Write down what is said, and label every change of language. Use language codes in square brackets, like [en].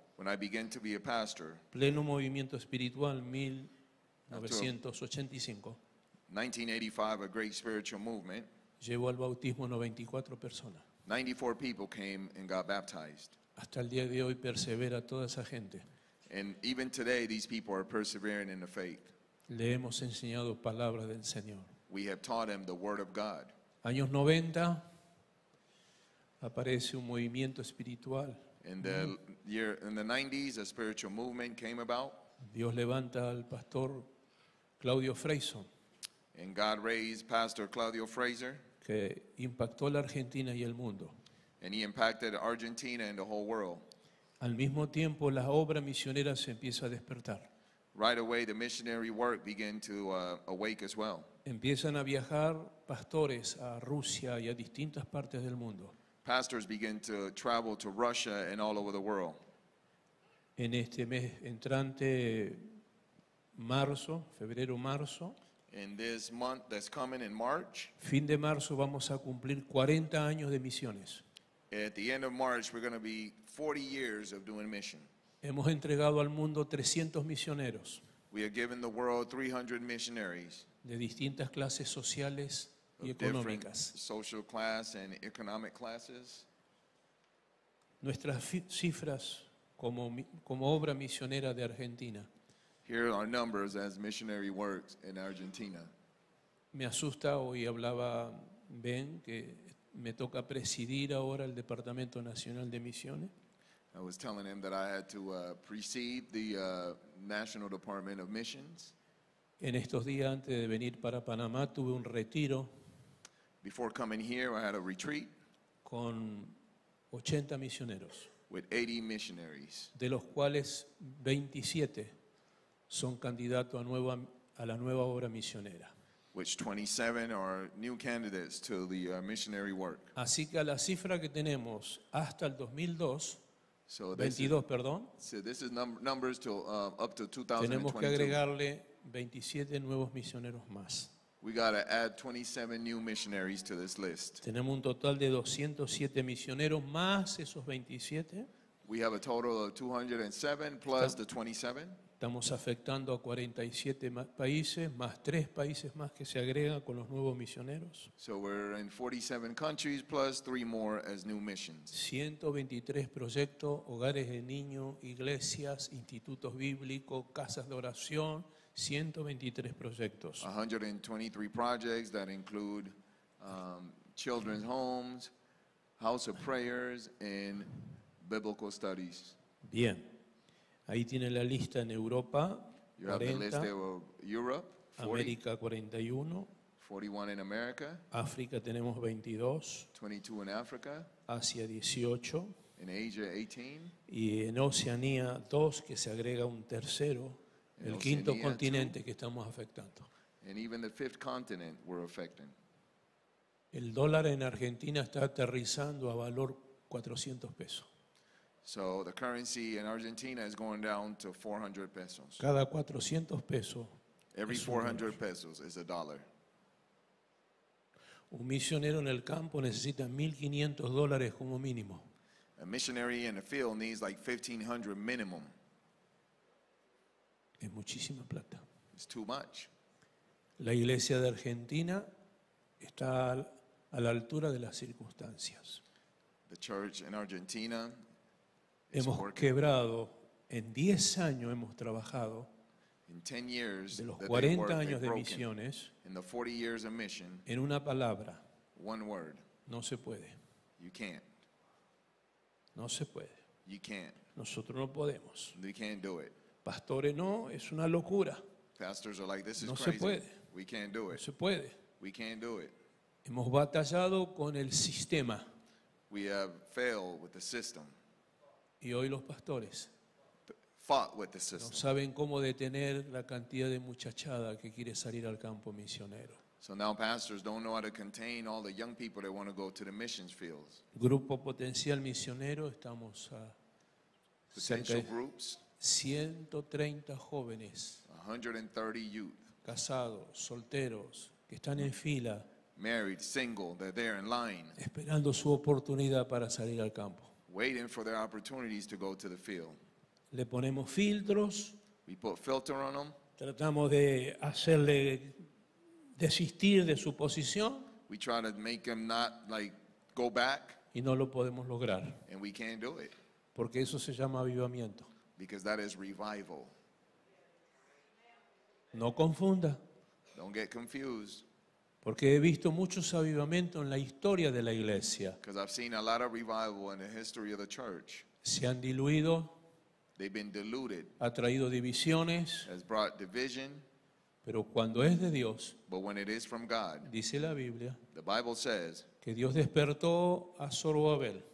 [en] When I began to be a pastor. [es] Pleno movimiento espiritual 1985. [en] 1985, a great spiritual movement. [es] Llevó al bautismo 94 personas. [en] 94 people came and got baptized. [es] Hasta el día de hoy persevera toda esa gente. [en] And even today, these people are persevering in the faith. [es] Le hemos enseñado palabras del Señor. [en] We have taught them the word of God. [es] Años 90, aparece un movimiento espiritual. [en] In the 90s, a spiritual movement came about. [es] Dios levanta al pastor Claudio Freyson. [en] And God raised Pastor Claudio Fraser. [es] Que impactó la Argentina y el mundo. [en] And he impacted Argentina and the whole world. [es] Al mismo tiempo, la obra misionera se empieza a despertar. [en] Right away, the missionary work began to awake as well. [es] Empiezan a viajar pastores a Rusia y a distintas partes del mundo. [en] Pastors begin to travel to Russia and all over the world. [es] En este mes entrante, marzo, febrero, marzo. [en] In this month that's coming in March. [es] Fin de marzo vamos a cumplir 40 años de misiones. [en] At the end of March, we're going to be 40 years of doing mission. [es] Hemos entregado al mundo 300 misioneros. [en] We have given the world 300 missionaries. [es] De distintas clases sociales y económicas. [en] Social class and economic classes. [es] Nuestras cifras como obra misionera de Argentina. [en] Here are numbers as missionary works in Argentina. [es] Me asusta, hoy hablaba Ben, que me toca presidir ahora el Departamento Nacional de Misiones. [en] I was telling him that I had to precede the National Department of Missions. [es] En estos días antes de venir para Panamá tuve un retiro. [en] Before coming here, I had a retreat. [es] Con 80 misioneros. [en] With 80 missionaries. [es] De los cuales 27 son candidatos a la nueva obra misionera. [en] Which 27 are new candidates to the missionary work. [es] Así que la cifra que tenemos hasta el 2002, [en] so 22, is, [es] perdón. [en] So this is numbers to up to 2022. [es] Tenemos que agregarle 27 nuevos misioneros más. [en] We got to add 27 new missionaries to this list. [es] Tenemos un total de 207 misioneros más esos 27. [en] We have a total of 207 plus the 27. [es] Estamos afectando a 47 países, más 3 países más que se agregan con los nuevos misioneros. [en] So we're in 47 countries plus 3 more as new missions. [es] 123 proyectos, hogares de niños, iglesias, institutos bíblicos, casas de oración, 123 proyectos. [en] 123 projects that include children's homes, house of prayers, and biblical studies. [es] Bien. Ahí tiene la lista en Europa, 40, [en] Europe, 40, [es] América 41, [en] 41 in America, [es] África tenemos 22, [en] 22 in Africa, [es] Asia 18, [en] in Asia 18, [es] y en Oceanía 2, que se agrega un tercero, el quinto [en] Oceania [es] continente [en] 2, [es] que estamos afectando. [en] And even the fifth continent we're affecting. [es] El dólar en Argentina está aterrizando a valor 400 pesos. [en] So the currency in Argentina is going down to 400 pesos. [es] Cada 400 pesos. [en] Every 400 pesos is a dollar. [es] Un misionero en el campo necesita $1,500 como mínimo. [en] A missionary in the field needs like 1,500 minimum. [es] Es muchísima plata. [en] It's too much. [es] La iglesia de Argentina está a la altura de las circunstancias. [en] The church in Argentina is [es] hemos [en] working. [es] Quebrado. En 10 años hemos trabajado. [en] In 10 years, [es] de los 40 años de misiones, [en] in the 40 years of mission, [es] en una palabra, [en] one word, [es] no se puede. [en] You can't. [es] No se puede. [en] You can't. [es] Nosotros no podemos. [en] We can't do it. [es] Pastores, no, es una locura. [en] Pastors are like, this is [es] no [en] crazy. [es] No se puede. [en] We can't do it. [es] No se puede. [en] We can't do it. [es] Hemos batallado con el sistema. [en] We have failed with the system. [es] Y hoy los pastores. [en] Fought with the system. [es] No saben cómo detener la cantidad de muchachada que quiere salir al campo misionero. [en] So now pastors don't know how to contain all the young people that want to go to the missions fields. [es] Grupo potencial misionero estamos a [en] potential groups. [es] 130 jóvenes. [en] 130 youth. [es] Casados, solteros, que están en fila. [en] Married, single, they're there in line. [es] Esperando su oportunidad para salir al campo. [en] Waiting for their opportunities to go to the field. [es] Le ponemos filtros. [en] We put filter on them. [es] Tratamos de hacerle desistir de su posición. [en] We try to make him not like go back. [es] Y no lo podemos lograr. [en] And we can't do it. [es] Porque eso se llama avivamiento. [en] Because that is revival. [es] No confunda. [en] Don't get confused. [es] Porque he visto muchos avivamientos en la historia de la iglesia. [en] Because I've seen a lot of revival in the history of the church. [es] Se han diluido. [en] They've been diluted. [es] Ha traído divisiones. [en] Has brought division. [es] Pero cuando es de Dios, [en] but when it is from God, [es] dice la Biblia, [en] the Bible says, [es] que Dios despertó a Zerubbabel,